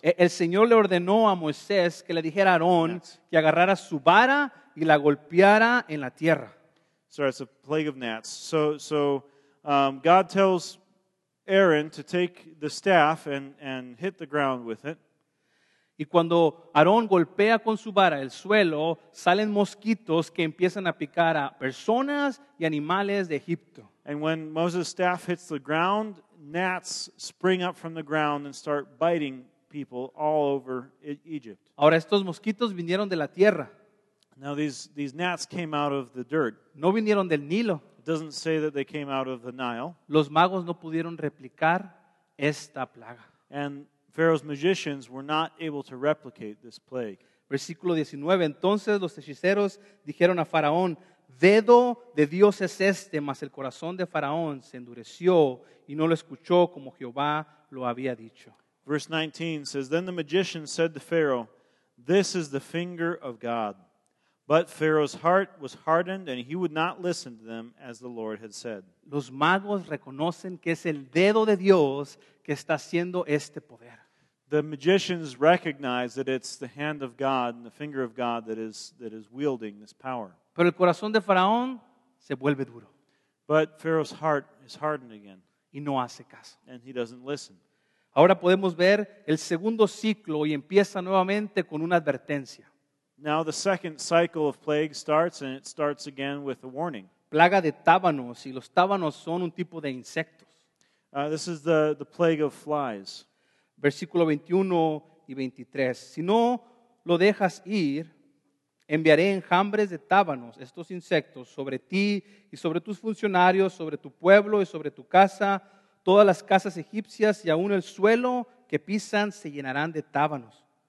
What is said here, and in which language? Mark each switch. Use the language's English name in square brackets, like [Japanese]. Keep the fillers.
[Spanish] El Señor le ordenó a Moisés que le dijera a Aarón Nats. que agarrara su vara y la golpeara en la tierra. [English] So it's a plague of gnats. So, so um, God tells Aaron to take the staff and, and hit the ground with it. [Spanish] Y cuando Aarón golpea con su vara el suelo, salen mosquitos que empiezan a picar a personas y animales de Egipto. [English] And when Moses' staff hits the ground, gnats spring up from the ground and start biting people all over e- Egypt. [Spanish] Ahora estos mosquitos vinieron de la tierra. [English] Now these, these gnats came out of the dirt. [Spanish] No vinieron del Nilo. [English] It doesn't say that they came out of the Nile. [Spanish] Los magos no pudieron replicar esta plaga. [English] And Pharaoh's magicians were not able to replicate this plague. [Spanish] Versículo 19. Entonces los hechiceros dijeron a Faraón, dedo de Dios es este, mas el corazón de Faraón se endureció y no lo escuchó como Jehová lo había dicho. [English] Verse 19 says, Then the magician said to Pharaoh, This is the finger of God. But Pharaoh's heart was hardened and he would not listen to them as the Lord had said. The magicians recognize that it's the hand of God and the finger of God that is, that is wielding this power. But Pharaoh's heart is hardened again. [Spanish] Y no hace caso. [English] And he doesn't listen. [Spanish] Ahora podemos ver el segundo ciclo y empieza nuevamente con una advertencia. [English] Now the second cycle of plague starts and it starts again with a warning. [Spanish] Plaga de tábanos y los tábanos son un tipo de insectos. [English] Uh, this is the, the plague of flies. [Spanish] Versículo 21 y 23. Si no lo dejas ir, enviaré enjambres de tábanos, estos insectos, sobre ti y sobre tus funcionarios, sobre tu pueblo y sobre tu casa. Todas las casas egipcias y aún el suelo que pisan se llenarán de tábanos.